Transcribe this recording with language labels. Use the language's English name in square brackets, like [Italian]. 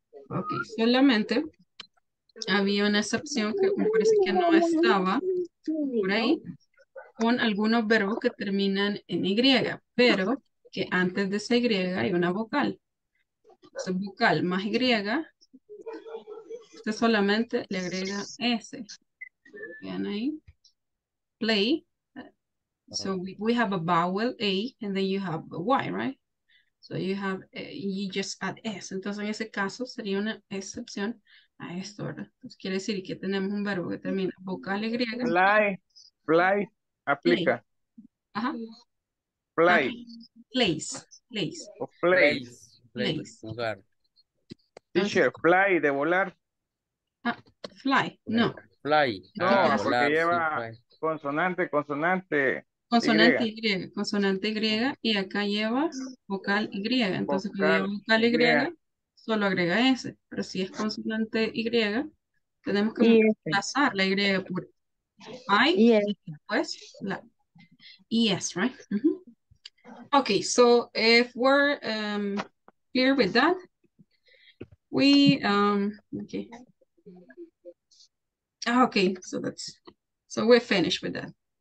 [Spanish] Okay, solamente había una excepción que me parece que no estaba por ahí, con algunos verbos que terminan en Y, pero que antes de esa Y hay una vocal. Esa vocal más Y, usted solamente le agrega S. ¿Vean ahí? Play. [English] So we have a vowel A, and then you have a Y, right? So you have, you just add S. [Spanish] Entonces, en ese caso, sería una excepción a esto, ¿verdad? Entonces, quiere decir que tenemos un verbo que termina vocal Y. Play. Aplica. Play. Ajá. [English] Play. Place. Place. [Spanish] Lugar. Teacher, fly, de volar. Fly, no. Fly. No, porque lleva consonante, consonante. Consonante griega. Consonante griega, y acá lleva vocal griega. Entonces, cuando lleva vocal griega, solo agrega S. Pero si es consonante griega, tenemos que reemplazar la griega por I, y después la ES, right? Mm-hmm. [English] Okay, so if we're clear with that, we, okay. Okay, so that's, so we're finished with that.